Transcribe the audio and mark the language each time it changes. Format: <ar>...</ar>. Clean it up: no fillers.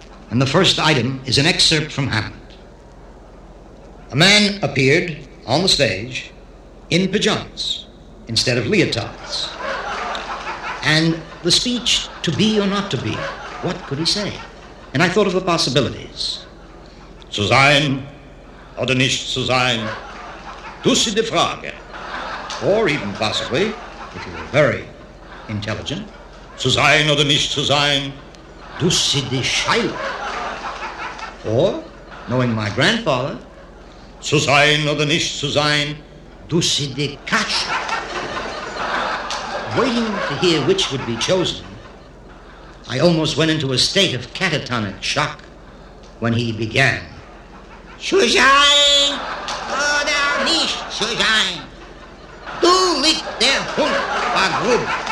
<en>And the first item is an excerpt from Hamlet. A man appeared on the stage in pajamas instead of leotards. And the speech, to be or not to be, what could he say? And I thought of the possibilities.</en> <de>Zu sein oder nicht zu sein, das ist die Frage.</de> <en>Or even possibly, if you were very intelligent,</en> <de>zu sein oder nicht zu sein, das ist die Scheile.</de> <en>Or, knowing my grandfather,</en> <de>zu sein oder nicht zu sein, das ist die Katze.</de> <en>Waiting to hear which would be chosen, I almost went into a state of catatonic shock when he began.</en> <de>Zu sein oder nicht zu sein. Du lick der Hund, war gut.</de>